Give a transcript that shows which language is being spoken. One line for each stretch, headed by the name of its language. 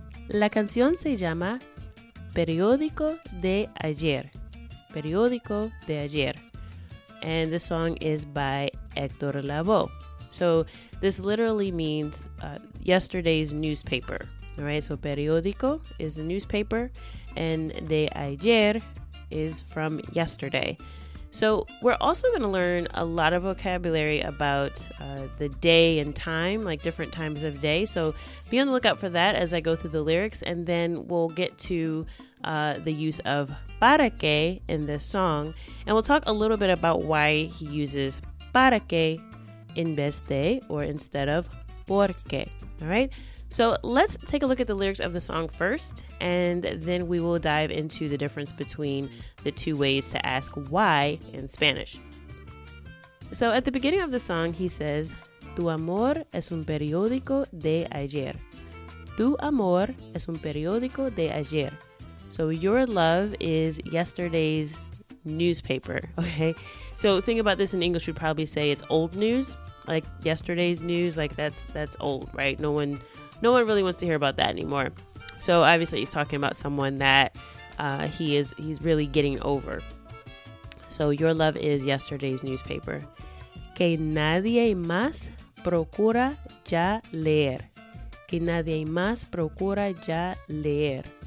Spanish: La canción se llama Periódico de Ayer. Periódico de Ayer.
English: And the song is by Héctor Lavoe. So this literally means yesterday's newspaper. All right, so periódico is the newspaper and de ayer is from yesterday. So we're also going to learn a lot of vocabulary about the day and time, like different times of day. So be on the lookout for that as I go through the lyrics, and then we'll get to the use of para que in this song. And we'll talk a little bit about why he uses para que
Spanish: in vez de,
English: or instead of por qué. All right. So let's take a look at the lyrics of the song first, and then we will dive into the difference between the two ways to ask why in Spanish. So at the beginning of the song, he says,
Spanish: Tu amor es un periódico de ayer. Tu amor es un periódico de ayer.
English: So your love is yesterday's newspaper, okay? So think about this in English, we'd probably say it's old news, like yesterday's news, like that's old, right? No one really wants to hear about that anymore. So obviously he's talking about someone that he's really getting over. So your love is yesterday's newspaper.
Spanish: Que nadie más procura ya leer. Que nadie más procura ya leer.